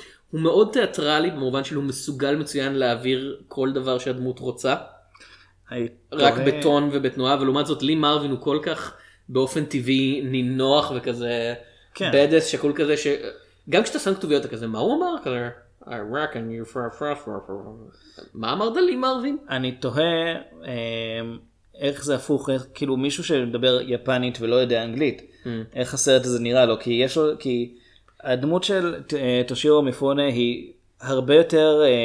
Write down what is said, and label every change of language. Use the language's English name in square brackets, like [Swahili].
[Hebrew] הוא מאוד תיאטרלי במובן שהוא מסוגל מצוין להעביר כל דבר שהדמות רוצה, רק בטון ובתנועה, ולעומת זאת לי מרווין הוא כל כך באופן טבעי נינוח וכזה בדס שכל כזה, שגם כשאתה שם כתוביות אתה כזה, מה הוא אמר? כזה... [English] I reckon you for a fresh one. [Hebrew] מה אמרת [English] לי מרווין? [Hebrew] אני תוהה איך זה הפוך, איך, כאילו מישהו שמדבר יפנית ולא יודע אנגלית, איך הסרט הזה נראה לו, כי יש לו, כי הדמות של תושירו מפונה היא הרבה יותר...